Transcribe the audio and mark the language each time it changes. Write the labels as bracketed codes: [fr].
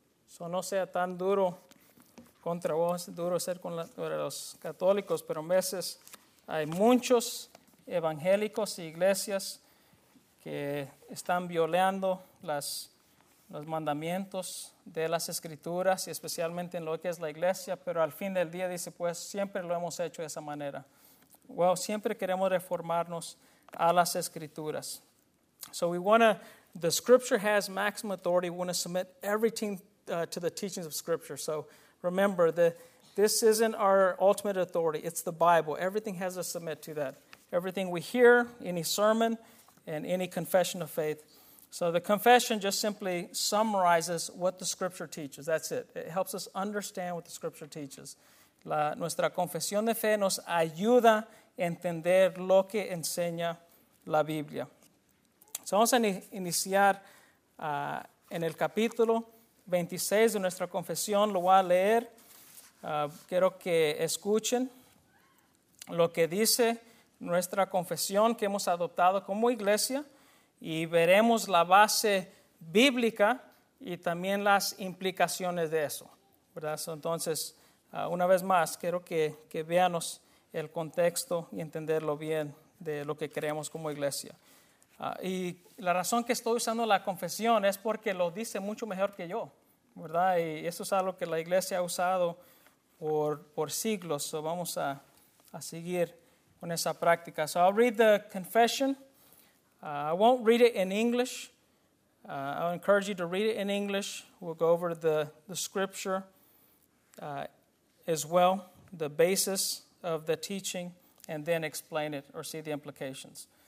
[es] Eso no sea tan duro contra vos, duro ser contra los católicos, pero a veces hay muchos evangélicos e iglesias que están violando los mandamientos de las Escrituras, y especialmente en lo que es la iglesia, pero al fin del día dice, pues siempre lo hemos hecho de esa manera. Well, siempre queremos reformarnos a las Escrituras. [en] So we want to, the Scripture has maximum authority, we want to submit everything to the teachings of Scripture. So remember, this isn't our ultimate authority, it's the Bible. Everything has to submit to that. Everything we hear, any sermon, and any confession of faith. So the confession just simply summarizes what the Scripture teaches. That's it. It helps us understand what the Scripture teaches. [es] Nuestra confesión de fe nos ayuda a entender lo que enseña la Biblia. So vamos a iniciar en el capítulo 26 de nuestra confesión. Lo voy a leer. Quiero que escuchen lo que dice nuestra confesión que hemos adoptado como iglesia. Y veremos la base bíblica y también las implicaciones de eso, ¿verdad? Entonces, una vez más, quiero que veamos el contexto y entenderlo bien de lo que creemos como iglesia. Y la razón que estoy usando la confesión es porque lo dice mucho mejor que yo, ¿verdad? Y eso es algo que la iglesia ha usado por siglos. So vamos a seguir con esa práctica. [en] So I'll read the confession. I won't read it in English. I'll encourage you to read it in English. We'll go over the scripture as well, the basis of the teaching, and then explain it or see the implications.